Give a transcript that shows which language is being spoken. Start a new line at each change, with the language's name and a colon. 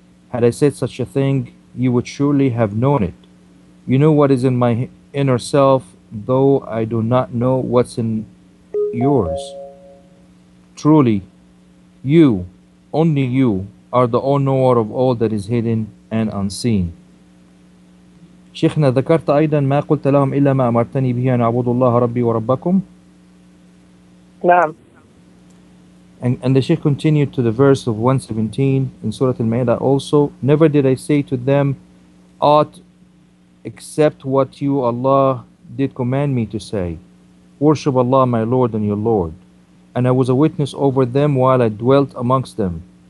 English: Had I said such a thing, you would surely have known it. You know what is in my inner self, though I do not know what's in yours. Truly, you, only you, are the all-knower of all that is hidden and unseen.
Arabic: شيخنا ذكرت أيضا ما قلت لهم إلا ما أمرتني به أن أعبد الله ربي وربكم. نعم.
English: And the Sheikh continued to the verse of 117 in Surah Al-Ma'idah also, Never did I say to them aught except what you, Allah, did command me to say. Worship Allah, my Lord and your Lord. And I was a witness over them while I dwelt amongst them.